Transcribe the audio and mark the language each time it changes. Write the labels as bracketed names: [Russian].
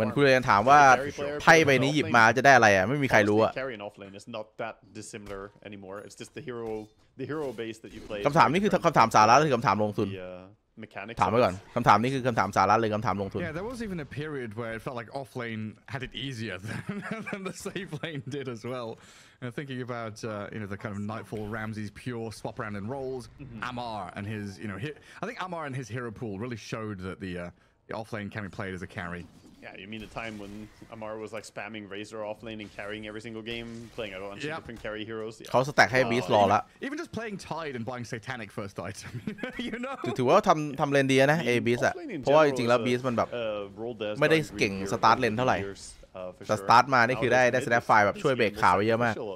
[Thai] มันคุณเลยถามว่าไพ่ใบนี้หยิบมาจะได้อะไรอ่ะไม่มีใครรู้อ่ะ การเล่นออฟเลนไม่ใช่แบบดิสซิมิลาร์อีกแล้วมันเป็นแค่ฮีโร่เบสที่คุณเล่น คำถามนี้คือคำถามสาระหรือคำถามลงทุนถามไว้ก่อนคำถามนี้คือคำถามสาระหรือคำถามลงทุน [English] Yeah there was even a period where it felt like off lane had it easier than the safe lane did as well and thinking about you know the kind of nightfall Ramsey's pure swap around and rolls Ammar and his you know I think Ammar and his hero pool really showed that the off lane can be played as a carry Yeah you mean the time when Ammar was like spamming Razor off lane and carrying every single game playing a bunch of different carry heroes [Thai] เขาสแต็กให้บีสรอแล้ว [English] Even just playing Tide and buying Satanic first item you know [Thai] ถือว่าทำเลนดีนะ A บีสอะเพราะว่าจริงๆแล้วบีสมันแบบไม่ได้เก่งสตาร์ทเลนเท่าไหร่แต่สตาร์ทมานี่คือได้สแนปไฟแบบช่วยเบรกขาไว้เยอะมาก